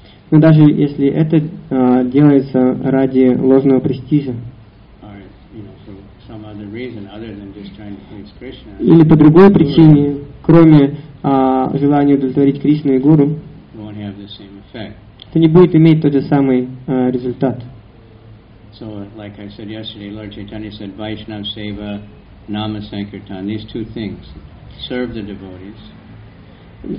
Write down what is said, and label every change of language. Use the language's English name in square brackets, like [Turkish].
[Russian] Но даже если это делается ради ложного престижа. [English] Or, you know, for some other reason, other than just trying to please Krishna. [Russian] Или по другой причине, кроме желания удовлетворить Кришну и Гуру. [English] Won't have the same effect. [Russian] Это не будет иметь тот же самый результат. [English] So, like I said yesterday, Lord Chaitanya said, Vaishnava Seva, Nama Sankirtan, these two things, serve the devotees.